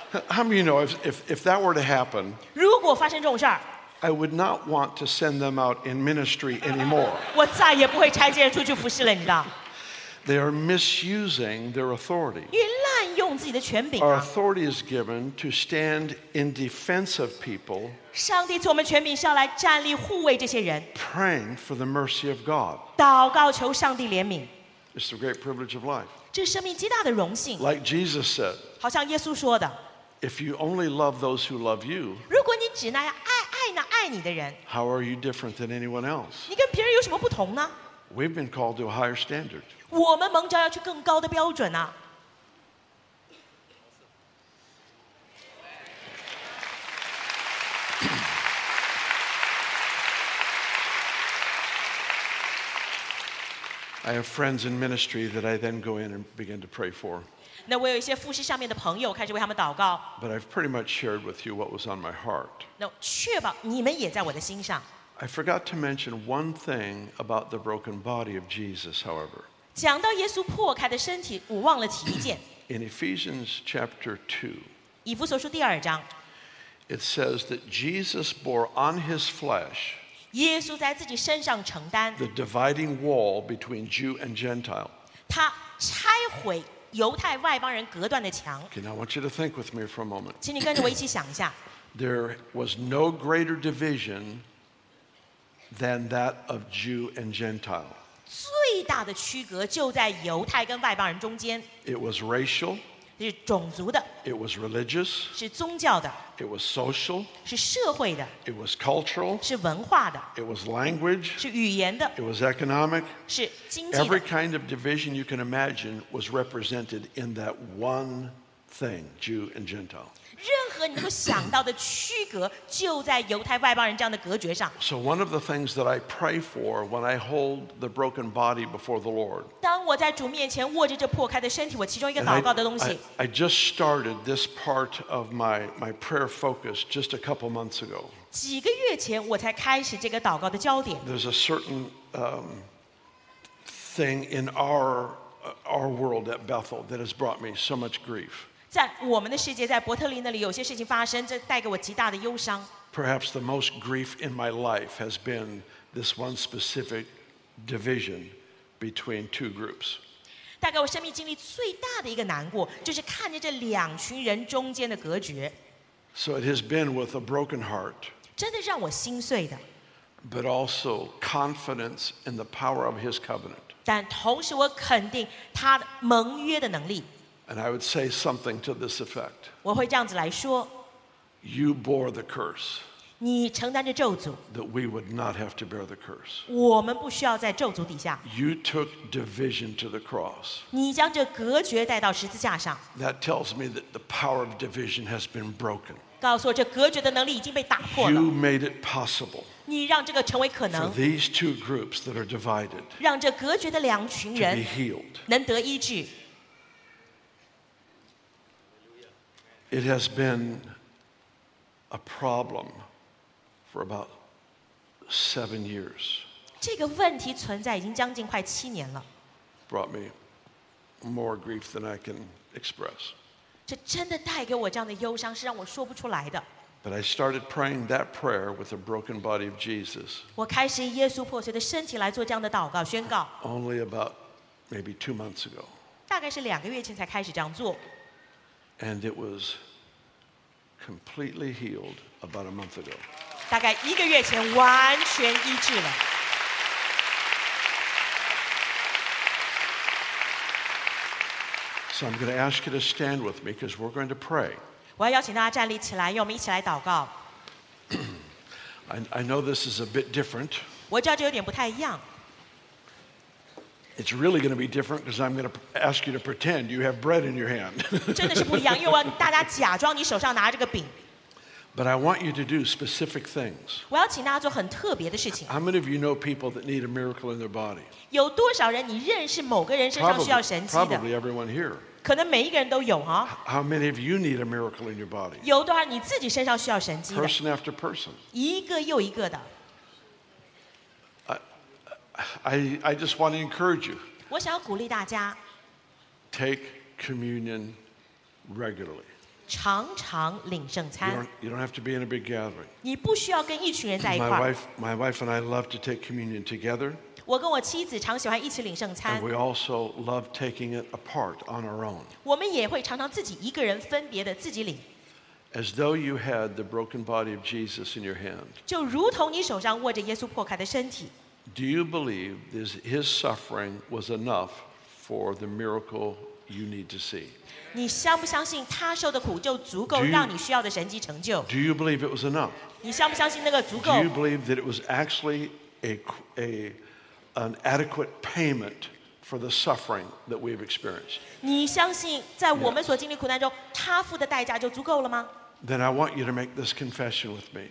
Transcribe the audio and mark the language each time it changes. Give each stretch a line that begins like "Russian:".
English: How many know if that were to happen?
Chinese: 如果发生这种事儿。
English: I would not want to send them out in ministry anymore.
Chinese: 我再也不会差遣出去服侍了，你知道。
English: They are misusing their authority.
Chinese: 因为滥用自己的权柄啊。
English: Our authority is given to stand in defense of people.
Chinese: 上帝赐我们权柄是要来站立护卫这些人。
English: Praying for the mercy of God.
Chinese: 祷告求上帝怜悯。
English: It's the great privilege of life.
Chinese: 这是生命极大的荣幸。
English: Like Jesus said.
Chinese: 好像耶稣说的。
English: If you only love those who love you.
Chinese: 如果你只那样爱那爱。爱你的人。
English: How are you different than anyone else?
Chinese: 你跟别人有什么不同呢？
English: We've been called to a higher standard.
Chinese: 我们蒙召要去更高的标准啊。
English: I have friends in ministry that I then go in and begin to pray for.
Chinese: 那我有一些服事上面的朋友，开始为他们祷告。
English: But I've pretty much shared with you what was on my heart.
Chinese: 那确保你们也在我的心上。
English: I forgot to mention one thing about the broken body of Jesus, however.
Chinese: 讲到耶稣破开的身体，我忘了提一件。
English: In Ephesians chapter 2,
Chinese: 以弗所书第二章，
English: it says that Jesus bore on his flesh.
Chinese: 耶稣在自己身上承担
English: the dividing wall between Jew and Gentile.
Chinese: 他拆毁犹太外邦人隔断的墙。
English: Okay, now I want you to think with me for a moment.
Chinese: 请你跟着我一起想一下。
English: There was no greater division than that of Jew and Gentile.
Chinese: 最大的区隔就在犹太跟外邦人中间。
English: It was racial.
Chinese: 是种族的。
English: It was religious.
Chinese: 是宗教的。
English: It was social.
Chinese: 是社会的。
English: It was cultural.
Chinese: 是文化的。
English: It was language.
Chinese: 是语言的。
English: It was economic.
Chinese: 是经济的。
English: Every kind of division you can imagine was represented in that one thing, Jew and Gentile.
Chinese: 任何你能想到的区隔就在犹太外邦人这样的隔绝上。
English: So one of the things that I pray for when I hold the broken body before the Lord.
Chinese: 当我在主面前握着这破开的身体，我其中一个祷告的东西。
English: I just started this part of my prayer focus just a couple months ago.
Chinese: 几个月前我才开始这个祷告的焦点。
English: There's a certain thing in our world at Bethel that has brought me so much grief.
Chinese: 在我们的世界，在伯特利那里，有些事情发生，这带给我极大的忧伤。
English: Perhaps the most grief in my life has been this one specific division between two groups.
Chinese: 大概我生命经历最大的一个难过，就是看见这两群人中间的隔绝。
English: So it has been with a broken heart.
Chinese: 真的让我心碎的。
English: But also confidence in the power of His covenant.
Chinese: 但同时，我肯定他盟约的能力。
English: And I would say something to this effect.
Chinese: 我会这样子来说。
English: You bore the curse.
Chinese: 你承担着咒诅。
English: That we would not have to bear the curse.
Chinese: 我们不需要在咒诅底下。
English: You took division to the cross.
Chinese: 你将这隔绝带到十字架上。
English: That tells me that the power of division has been broken.
Chinese: 告诉我这隔绝的能力已经被打破了。
English: You made it possible.
Chinese: 你让这个成为可能。
English: For these two groups that are divided.
Chinese: 让这隔绝的两群人。
English: To be healed.
Chinese: 能得医治。
English: It has been a problem for about 7 years.
Chinese: 这个问题存在已经将近快七年了。
English: Brought me more grief than I can express.
Chinese: 这真的带给我这样的忧伤，是让我说不出来的。
English: But I started praying that prayer with the broken body of Jesus.
Chinese: 我开始以耶稣破碎的身体来做这样的祷告宣告。
English: Only about maybe 2 months ago.
Chinese: 大概是两个月前才开始这样做。
English: And it was completely healed about a month ago.
Chinese: 大概一个月前完全医治了。
English: So I'm going to ask you to stand with me because we're going to pray.
Chinese: 我要邀请大家站立起来，让我们一起来祷告。
English: I know this is a bit different.
Chinese: 我知道这有点不太一样。
English: It's really going to be different because I'm going to ask you to pretend you have bread in your hand.
Chinese: 真的是不一样，因为我要大家假装你手上拿着个饼。
English: But I want you to do specific things.
Chinese: 我要请大家做很特别的事情。
English: How many of you know people that need a miracle in their body?
Chinese: 有多少人你认识某个人身上需要神迹的？
English: Probably everyone here.
Chinese: 可能每一个人都有啊。
English: How many of you need a miracle in your body?
Chinese: 有多少你自己身上需要神迹的？
English: Person after person.
Chinese: 一个又一个的。
English: I just want to encourage you.
Chinese: 我想要鼓励大家。
English: Take communion regularly.
Chinese: 常常领圣餐。
English: You don't have to be in a big gathering.
Chinese: 你不需要跟一群人在一块。
English: My wife and I love to take communion together.
Chinese: 我跟我妻子常喜欢一起领圣餐。
English: And we also love taking it apart on our own.
Chinese: 我们也会常常自己一个人分别的自己领。
English: As though you had the broken body of Jesus in your hand.
Chinese: 就如同你手上握着耶稣破开的身体。
English: Do you believe his suffering was enough for the miracle you need to see.
Chinese: 你相不相信他受的苦就足够让你需要的神迹成就？
English: Do you believe it was enough?
Chinese: 你相不相信那个足够？
English: Do you believe that it was actually an adequate payment for the suffering that we have experienced?
Chinese: 你相信在我们所经历苦难中，他付的代价就足够了吗？
English: Then I want you to make this confession with me.